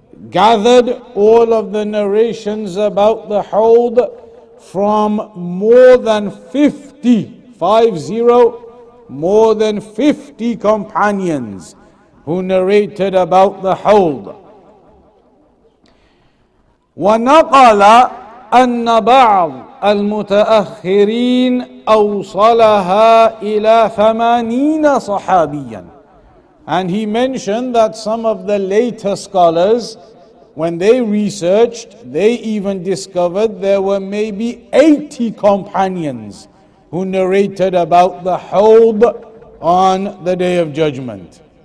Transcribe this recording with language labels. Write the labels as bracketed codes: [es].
[en] gathered all of the narrations about the hawd from more than 50 companions who narrated about the hawd. [ar] ونقل أن بعض المتأخرين أوصلها إلى 80 صحابيا. [en] And he mentioned that some of the later scholars, when they researched, they even discovered there were maybe 80 companions who narrated about the hawd on the Day of Judgment.